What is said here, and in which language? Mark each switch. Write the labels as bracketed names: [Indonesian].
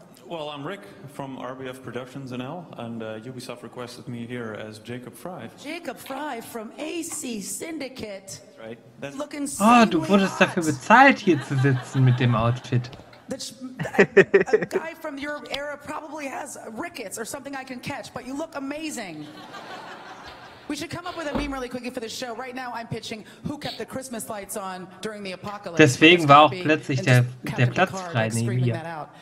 [English] Well, I'm Rick from RBF Productions NL, and Ubisoft requested me here as Jacob Fry. Jacob Fry from AC Syndicate. That's right. [German] Oh, du wurdest dafür bezahlt, hier zu sitzen mit dem Outfit. [English] A guy from your era probably has rickets or something I can catch, but you look amazing. We should come up with a meme really quickly for the show. Right now I'm pitching who kept the Christmas lights on during the apocalypse. [German] Deswegen war auch plötzlich der Platz frei neben mir.